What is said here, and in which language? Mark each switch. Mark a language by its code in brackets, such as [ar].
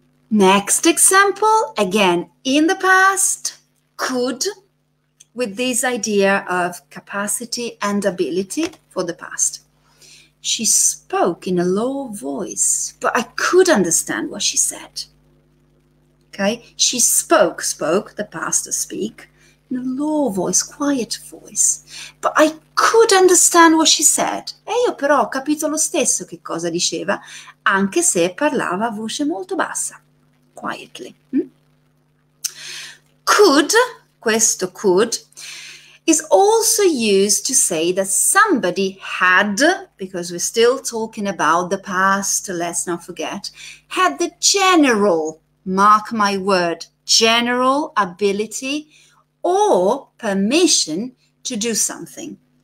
[en] Next example, again, in the past, could, with this idea of capacity and ability for the past. She spoke in a low voice, but I could understand what she said. Okay, she spoke, the past to speak, in a low voice, quiet voice, but I could understand what she said. [it] E io però ho capito lo stesso che cosa diceva, anche se parlava a voce molto bassa. [en] Quietly. Could, questo could, is also used to say that somebody had, because we're still talking about the past, let's not forget, had the general, mark my word, general ability or permission to do something.